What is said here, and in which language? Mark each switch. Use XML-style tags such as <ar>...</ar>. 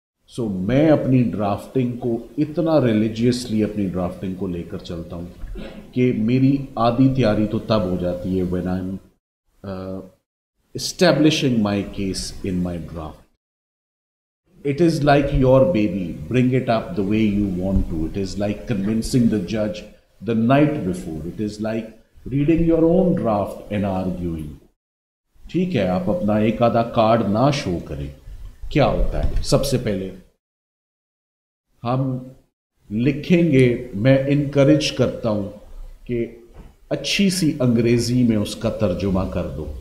<ur>سو میں اپنی ڈرافٹنگ کو اتنا ریلیجیسلی اپنی ڈرافٹنگ کو لے کر چلتا ہوں کہ میری آدھی تیاری تو تب ہو جاتی ہے</ur> <en>When I am establishing my case in my draft. It is like your baby, bring it up the way you want to. It is like convincing دا جج the night before. It is like reading your own draft and arguing.</en> <ur>ٹھیک ہے آپ اپنا ایک آدھا card نہ شو کریں. کیا ہوتا ہے, سب سے پہلے ہم لکھیں گے, میں انکریج کرتا ہوں کہ اچھی سی انگریزی میں اس کا ترجمہ کر دو.</ur>